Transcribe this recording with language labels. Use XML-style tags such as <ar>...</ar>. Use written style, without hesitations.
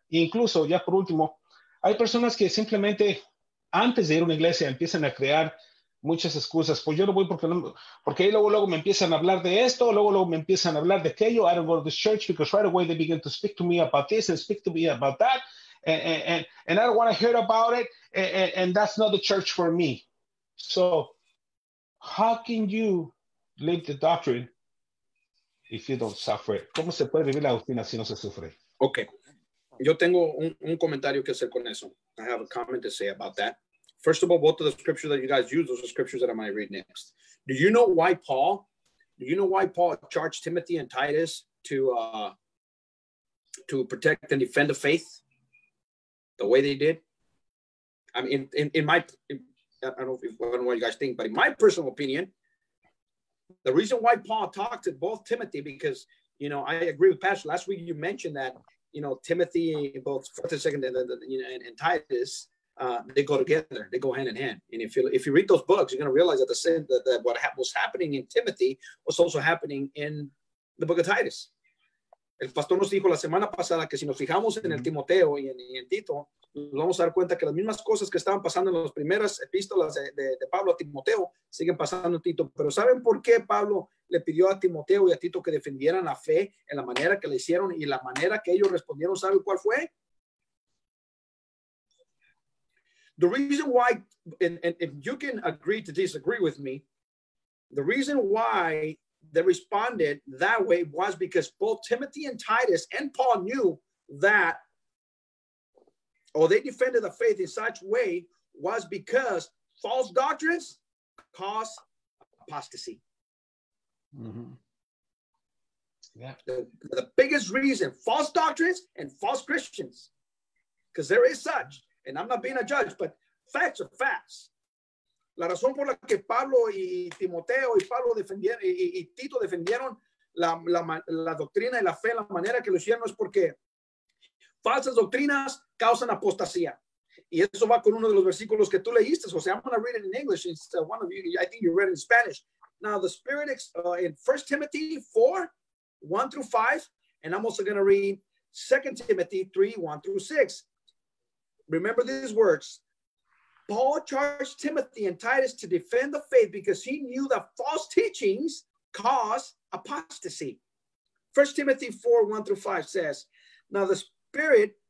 <es>E incluso, ya por último, hay personas que simplemente antes de ir a una iglesia empiezan a crear muchas excusas. Pues yo no voy porque ahí luego me empiezan a hablar de esto, luego me empiezan a hablar de aquello.</es> <en>I don't go to this church because right away they begin to speak to me about this and speak to me about that. And I don't want to hear about it. And that's not the church for me. So how can you live the doctrine if you don't suffer it?</en> <es>¿Cómo se puede vivir la doctrina si no se sufre?</es> <en>Okay.</en> <es>Yo tengo un comentario que hacer con eso.</es> <en>I have a comment to say about that. First of all, both of the scriptures that you guys use, those are scriptures that I'm going to read next. Do you know why Paul charged Timothy and Titus to protect and defend the faith the way they did? I mean, I don't know what you guys think, but in my personal opinion, the reason why Paul talked to both Timothy, because, you know, I agree with Pastor. Last week you mentioned that, you know, Timothy, both 4th and 2nd, and Titus, they go together. They go hand in hand. And if you read those books, you're going to realize that the sin that what was happening in Timothy was also happening in the book of Titus.</en> <es>El pastor nos dijo la semana pasada que si nos fijamos en el Timoteo y en Tito, nos vamos a dar cuenta que las mismas cosas que estaban pasando en las primeras epístolas de Pablo a Timoteo siguen pasando en Tito. Pero ¿saben por qué Pablo le pidió a Timoteo y a Tito que defendieran la fe en la manera que le hicieron y la manera que ellos respondieron? ¿Saben cuál fue?</es> <en>The reason why, and if you can agree to disagree with me, the reason why they responded that way was because both Timothy and Titus and Paul knew that, or they defended the faith in such way, was because false doctrines cause apostasy. Mm-hmm. Yeah. The biggest reason, false doctrines and false Christians, because there is such, and I'm not being a judge, but facts are facts.</en> <es>La razón por la que Pablo y Timoteo y Pablo defendieron y Tito defendieron la doctrina y la fe, la manera que lo hicieron, es porque falsas doctrinas causan apostasía. Y eso va con uno de los versículos que tú leíste. O sea,</es> <en>I'm going to read it in English. It's one of you. I think you read it in Spanish. Now, the Spirit in 1 Timothy 4, 1 through 5. And I'm also going to read 2 Timothy 3, 1 through 6. Remember these words. Paul charged Timothy and Titus to defend the faith because he knew that false teachings cause apostasy. 1 Timothy 4, 1 through 5 says, Now the Spirit</en>